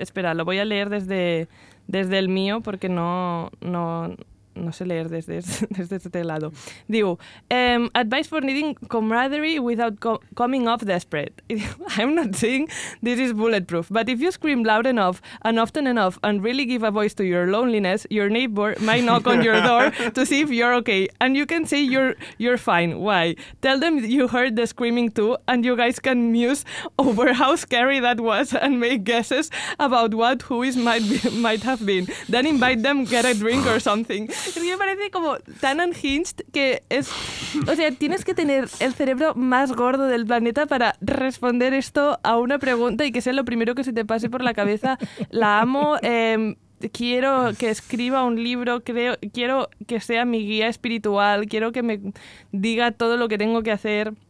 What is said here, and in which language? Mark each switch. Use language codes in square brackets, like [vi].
[es] Espera, lo voy a leer desde el mío, porque no sé leer desde este lado. Digo, [en] advice for needing camaraderie without coming off desperate. I'm not saying this is bulletproof, but if you scream loud enough and often enough and really give a voice to your loneliness, your neighbor might knock on your door to see if you're okay. And you can say you're fine. Why? Tell them you heard the screaming too and you guys can muse over how scary that was and make guesses about what who is might have been. Then invite them, get a drink or something. [es] Es que me parece como tan unhinged que es... O sea, tienes que tener el cerebro más gordo del planeta para responder esto a una pregunta y que sea lo primero que se te pase por la cabeza. La amo, quiero que escriba un libro, quiero que sea mi guía espiritual, quiero que me diga todo lo que tengo que hacer.